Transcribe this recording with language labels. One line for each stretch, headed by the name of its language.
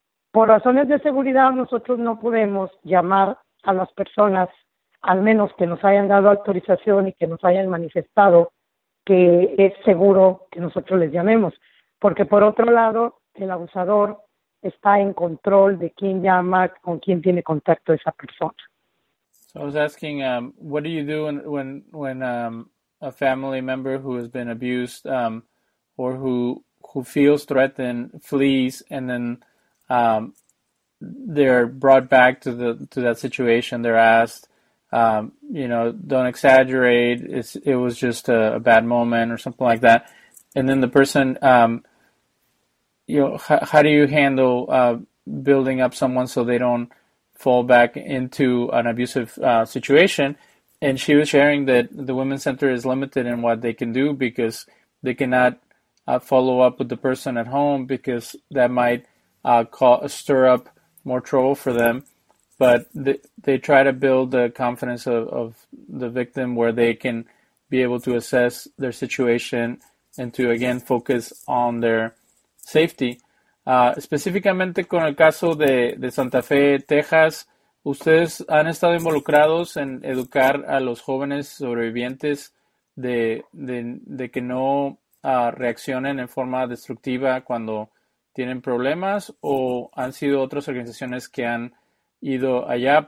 Spanish: Por razones de seguridad, nosotros no podemos llamar a las personas, al menos que nos hayan dado autorización y que nos hayan manifestado que es seguro que nosotros les llamemos. Porque por otro lado, el abusador está en control de quién llama, con quién tiene contacto esa persona.
English: So I was asking, what do you do when a family member who has been abused or who feels threatened flees and then they're brought back to that situation? They're asked, don't exaggerate. It was just a bad moment or something like that. And then the person, how do you handle building up someone so they don't fall back into an abusive situation? And she was sharing that the Women's Center is limited in what they can do because they cannot follow up with the person at home because that might stir up more trouble for them. But they try to build the confidence of the victim where they can be able to assess their situation and to, again, focus on their safety.
Spanish: Específicamente con el caso de Santa Fe, Texas, ¿ustedes han estado involucrados en educar a los jóvenes sobrevivientes de que no reaccionen en forma destructiva cuando tienen problemas, o han sido otras organizaciones que han ido allá?